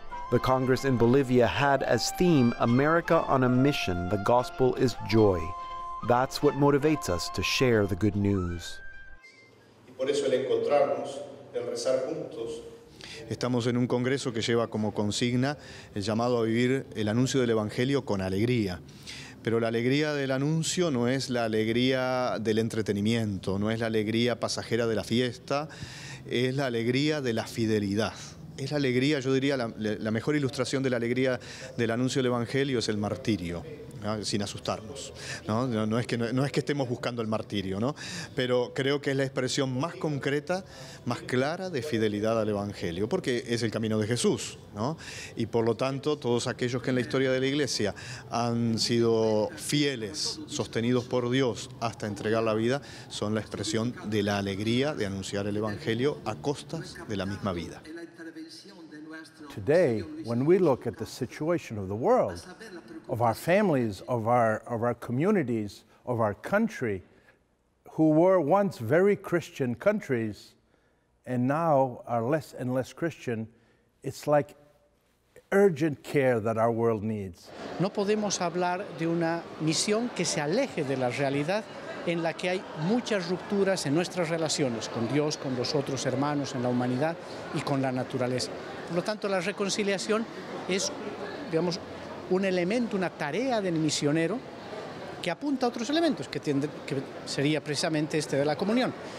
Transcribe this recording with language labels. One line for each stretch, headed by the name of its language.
English: The Congress in Bolivia had as theme America on a Mission, the Gospel is Joy. That's what motivates us to share the good news.
Spanish: Estamos en un congreso que lleva como consigna el llamado a vivir el anuncio del Evangelio con alegría. Pero la alegría del anuncio no es la alegría del entretenimiento, no es la alegría pasajera de la fiesta, es la alegría de la fidelidad. Es la alegría, yo diría, la mejor ilustración de la alegría del anuncio del Evangelio es el martirio, ¿no? Sin asustarnos, ¿no? No es que estemos buscando el martirio, ¿no? Pero creo que es la expresión más concreta, más clara de fidelidad al Evangelio, porque es el camino de Jesús, ¿no? Y por lo tanto, todos aquellos que en la historia de la Iglesia han sido fieles, sostenidos por Dios hasta entregar la vida, son la expresión de la alegría de anunciar el Evangelio a costas de la misma vida.
English: Today, when we look at the situation of the world, of our families, of our communities, of our country, who were once very Christian countries and now are less and less Christian, it's like urgent care that our world needs.
Spanish: No podemos hablar de una misión que se aleje de la realidad en la que hay muchas rupturas en nuestras relaciones con Dios, con los otros hermanos, en la humanidad y con la naturaleza. Por lo tanto, la reconciliación es, digamos, un elemento, una tarea del misionero que apunta a otros elementos, que sería precisamente este de la comunión.